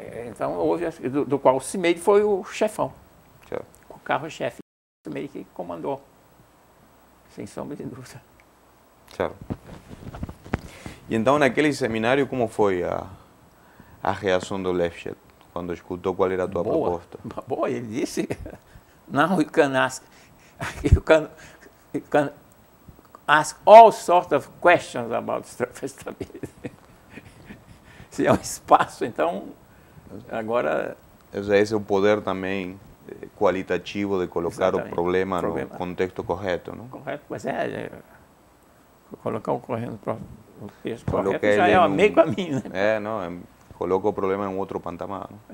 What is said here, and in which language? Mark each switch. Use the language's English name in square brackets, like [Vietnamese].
[Portuguese] Então, houve do qual o Simeide foi o chefão. O carro-chefe. O Simeide que comandou. Sem sombra de dúvida. Certo. E então, naquele seminário, como foi a reação do Lefschetz, quando escutou qual era a tua proposta? Boa, ele disse, não, [English] you can ask all sorts of questions about surface stability. [Portuguese] Se é um espaço, então, agora... Esse é o poder também qualitativo de colocar o problema no contexto correto, não? Correto, mas colocar o correto no contexto correto já é meio caminho, né? Coloca o problema em outro patamar.